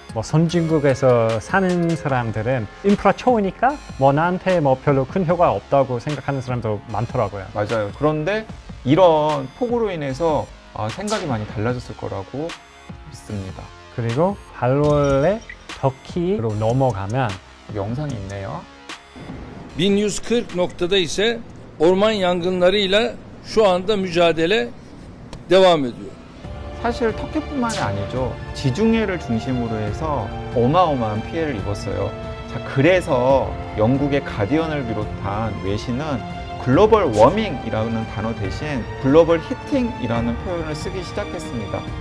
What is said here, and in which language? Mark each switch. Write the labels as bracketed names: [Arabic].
[Korean] 뭐 선진국에서 사는 사람들은 인프라 초이니까 뭐 나한테 뭐 별로 큰 효과 없다고 생각하는 사람도 많더라고요. 맞아요. 그런데 이런 폭우로 인해서 생각이 많이 달라졌을 거라고 믿습니다. 그리고 발월의 터키로 넘어가면 영상이 있네요. [Turkish] 1140 noktada ise orman yangınlarıyla şu anda mücadele devam ediyor. [Korean] 사실 터키뿐만이 아니죠. 지중해를 중심으로 해서 어마어마한 피해를 입었어요. 자, 그래서 영국의 가디언을 비롯한 외신은 글로벌 워밍이라는 단어 대신 글로벌 히팅이라는 표현을 쓰기 시작했습니다.